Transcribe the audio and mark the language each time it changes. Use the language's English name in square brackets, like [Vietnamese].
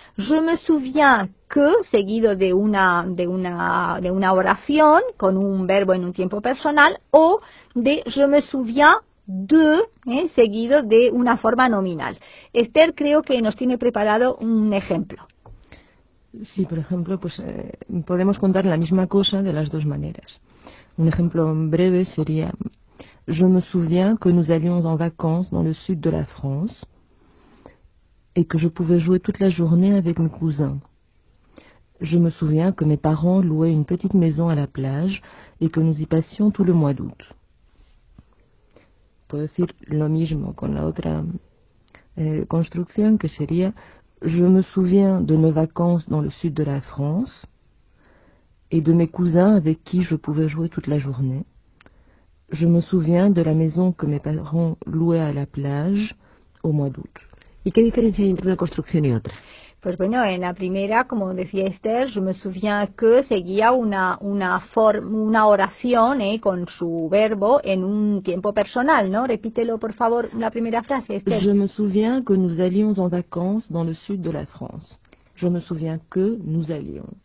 [French] Je me souviens que, [Spanish] seguido de una oración con un verbo en un tiempo personal, o de [French] je me souviens de, [Spanish] seguido de una forma nominal. Esther, creo que nos tiene preparado un ejemplo. Sí, por ejemplo, pues podemos contar la misma cosa de las dos maneras. Un ejemplo breve sería: [French] je me souviens que nous allions en vacances dans le sud de la France et que je pouvais jouer toute la journée avec mes cousins. Je me souviens que mes parents louaient une petite maison à la plage et que nous y passions tout le mois d'août. [Spanish] Puedo decir lo mismo con la otra construcción, que sería: [French] je me souviens de nos vacances dans le sud de la France et de mes cousins avec qui je pouvais jouer toute la journée. Je me souviens de la maison que mes parents louaient à la plage au mois d'août. [Spanish] ¿Y qué diferencia hay entre una construcción y otra? Pues bueno, en la primera, como decía Esther, [French] je me souviens que [Spanish] seguía una oración con su verbo en un tiempo personal, ¿no? Repítelo, por favor, la primera frase, Esther. [French] Je me souviens que nous allions en vacances dans le sud de la France. Je me souviens que nous allions.